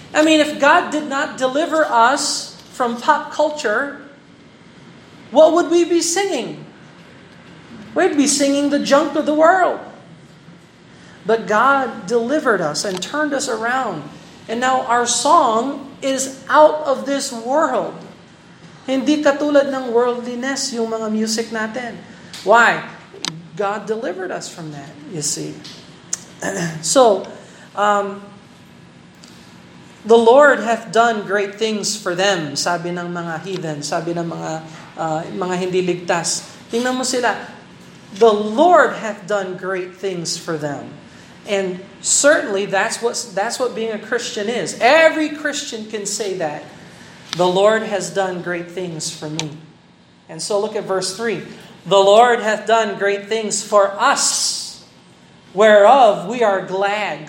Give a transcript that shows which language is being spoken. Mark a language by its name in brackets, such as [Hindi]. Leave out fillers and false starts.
[English] I mean, if God did not deliver us from pop culture, what would we be singing? We'd be singing the junk of the world. But God delivered us and turned us around. And now our song is out of this world. [Filipino] Hindi katulad ng worldliness yung mga music natin. [English] Why? God delivered us from that, you see. So, The Lord hath done great things for them, [Filipino] sabi ng mga heathen, sabi ng mga hindi ligtas. Tingnan mo sila. [English] The Lord hath done great things for them. And certainly that's what being a Christian is. Every Christian can say that. The Lord has done great things for me. And so look at verse 3. The Lord hath done great things for us, whereof we are glad.